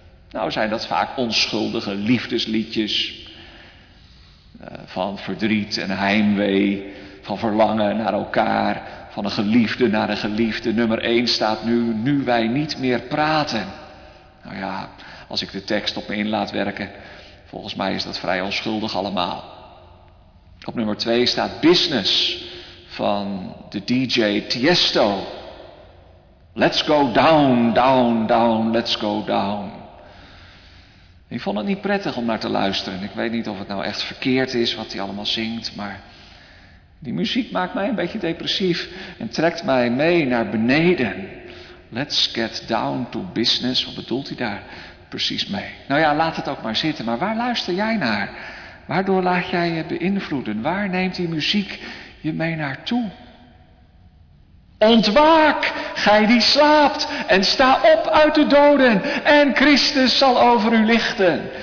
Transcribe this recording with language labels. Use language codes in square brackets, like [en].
[nl] Nou zijn dat vaak onschuldige liefdesliedjes van verdriet en heimwee, van verlangen naar elkaar, van een geliefde naar een geliefde. Nummer 1 staat nu wij niet meer praten. Nou ja, als ik de tekst op me in laat werken, volgens mij is dat vrij onschuldig allemaal. Op nummer 2 staat Business van de DJ Tiësto. [en] Let's go down, down, down, let's go down. [nl] Ik vond het niet prettig om naar te luisteren. Ik weet niet of het nou echt verkeerd is wat hij allemaal zingt, maar die muziek maakt mij een beetje depressief en trekt mij mee naar beneden. [en] Let's get down to business. [nl] Wat bedoelt hij daar precies mee? Nou ja, laat het ook maar zitten. Maar waar luister jij naar? Waardoor laat jij je beïnvloeden? Waar neemt die muziek je mee naartoe? Ontwaak, gij die slaapt, en sta op uit de doden, en Christus zal over u lichten.